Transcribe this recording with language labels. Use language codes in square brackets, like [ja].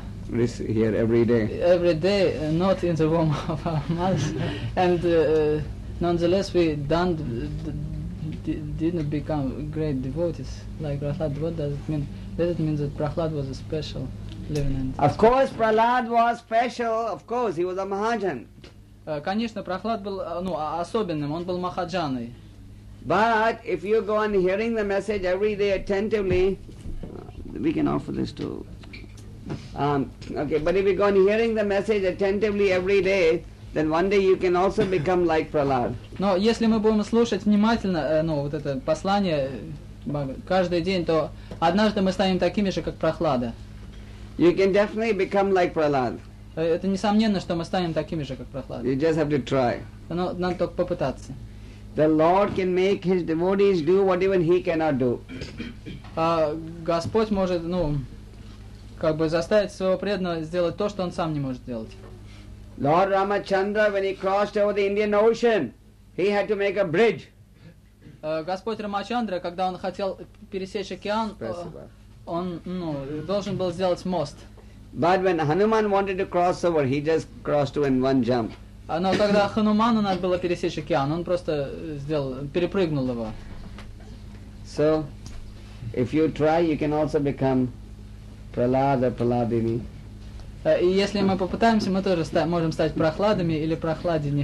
[en] this here every day, not in the womb of our mother, and nonetheless we didn't become great devotees like Prahlad. What does it mean? Does it mean that Prahlad was a special living entity? Of course, Prahlad was special. Of course, he was a Mahajan. [ru] Конечно, Прохлад был, ну, особенным, он был махаджаной. [en] But if you go on hearing the message every day attentively, we can offer this to... Okay, but if you go on hearing the message attentively every day, then one day you can also become like Prahlad. [ru] Но если мы будем слушать внимательно, ну, вот это послание каждый день, то однажды мы станем такими же, как Прохлада. [en] You can definitely become like Prahlad. [ru] Это несомненно, что мы станем такими же, как Прохлад. [en] You just have to try. [ru] Но надо только попытаться. [en] The Lord can make His devotees do what even He cannot do. [ru] Господь может, ну, как бы заставить своего преданного сделать то, что он сам не может сделать. [en] Lord Ramachandra, when he crossed over the Indian Ocean, he had to make a bridge. [ru] Господь Рамачандра, когда он хотел пересечь океан, он, ну, должен был сделать мост. [en] But when Hanuman wanted to cross over, he just crossed over in one jump. [ru] Но когда Хануману надо было пересечь океан, он просто сделал, перепрыгнул его. [en] So, if you try, you can also become Prahlad or Prahladini. [ru] И если мы попытаемся, мы тоже можем стать Прохладами или Прохладини.